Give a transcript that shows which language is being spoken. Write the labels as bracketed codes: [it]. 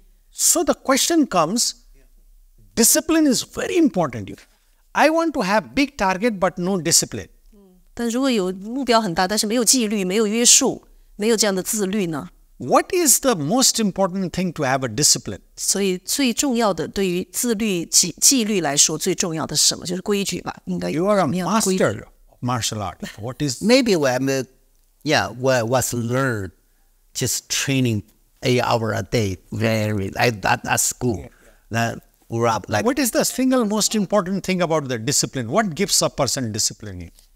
[en] So the question comes, discipline is very important. I want to have big target but no discipline. [zh] 但如果有目标很大, 但是没有纪律, 没有约束, 没有这样的自律呢? [en] What is the most important thing to have a discipline? [zh] 所以最重要的对于自律纪律来说最重要的是什么? 就是规矩吧, 应该, [en] you are a master of martial art. What is maybe I'm what was learned just training 8 hours a day very like that at school. Yeah. Like, what is the single most important thing about the discipline? What gives a person discipline in?